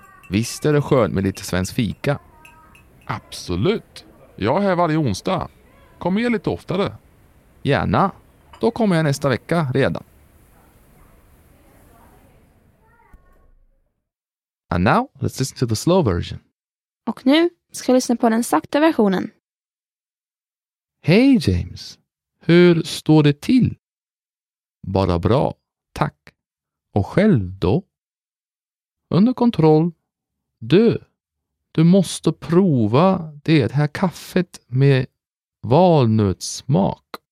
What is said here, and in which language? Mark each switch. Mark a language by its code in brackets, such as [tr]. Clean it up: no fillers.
[sv] Visst är det skönt med lite svensk fika? Absolut. Jag är här varje onsdag. Kom med lite oftare. Gärna. Då kommer jag nästa vecka redan. [en] And now, let's listen to the slow version. [sv] Och nu ska jag lyssna på den sakta versionen. Hej James. Hur står det till? Bara bra, tack. Och själv då? Under kontroll. Du måste prova det här kaffet med valnötssmak.